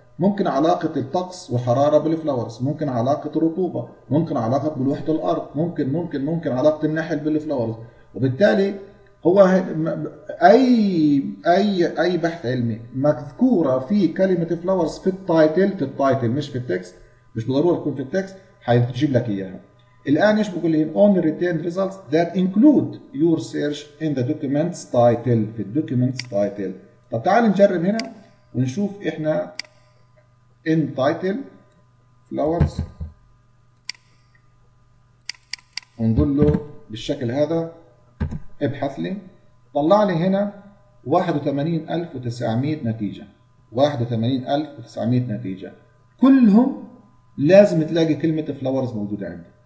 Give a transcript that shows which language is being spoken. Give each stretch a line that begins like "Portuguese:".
Arabic: ممكن علاقة الطقس والحرارة بالفلاورز، ممكن علاقة الرطوبة، ممكن علاقة بلوحة الأرض، ممكن ممكن ممكن علاقة النحل بالفلاورز. وبالتالي هو أي أي أي بحث علمي مذكورة فيه كلمة فلاورز في التايتل، في التايتل مش في التكست، مش بالضرورة تكون في التكست، هيجيب لك إياها. الآن ايش بقول لهم؟
English: Only retain results that include your search in the documents title،
Arabic: في الدوكيومنتس تايتل. طب تعال نجرب هنا ونشوف احنا in title flowers ونقول له بالشكل هذا ابحث لي، طلع لي هنا 81900 نتيجة، 81900 نتيجة كلهم لازم تلاقي كلمة flowers موجودة عندي.